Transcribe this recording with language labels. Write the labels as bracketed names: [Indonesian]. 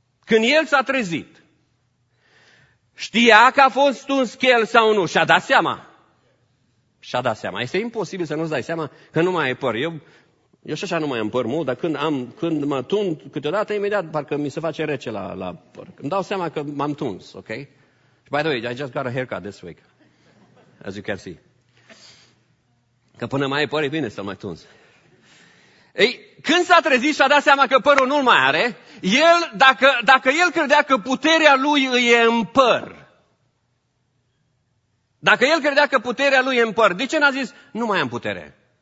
[Romanian] Când el s-a trezit, știa că a fost un schel sau nu? Și-a dat seama. Și-a dat seama. Este imposibil să nu-ți dai seama că nu mai ai păr. Eu și așa nu mai am păr mult, dar când mă tund câteodată, imediat parcă mi se face rece la păr. Îmi dau seama că m-am tuns, ok? [English] By the way, I just got a haircut this week, as you can see. [Romanian] Că până mai ai păr, e bine să-l mai tunzi. Ei, când s-a trezit și a dat seama că părul nu-l mai are, el, dacă el credea că puterea lui îi e în păr, dacă el credea că puterea lui e în păr, de ce n-a zis, nu mai am putere?